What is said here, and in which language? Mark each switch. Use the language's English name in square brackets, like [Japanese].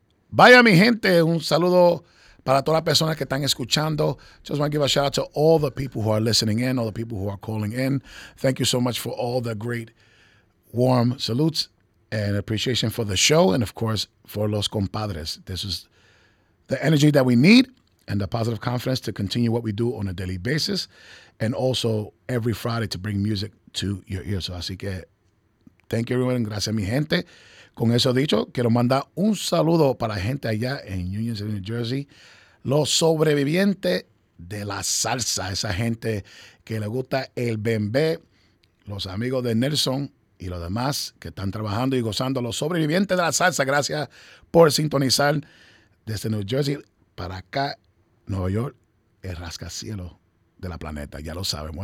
[Spanish] Vaya mi gente, un saludo para todas las personas que están escuchando. [English] Just want to give a shout out to all the people who are listening in, all the people who are calling in. Thank you so much for all the great warm salutes and appreciation for the show and, of course, for Los Compadres. This is the energy that we need and the positive confidence to continue what we do on a daily basis and also every Friday to bring music to your ears. [Spanish] Así que, [English] thank you, everyone. [Spanish] Gracias, mi gente. Con eso dicho, quiero mandar un saludo para la gente allá en Union City, New Jersey, los sobrevivientes de la salsa, esa gente que le gusta el bembé, los amigos de Nelson y los demás que están trabajando y gozando, los sobrevivientes de la salsa, gracias por sintonizar desde New Jersey para acá, Nueva York, el rascacielos de la planeta, ya lo saben.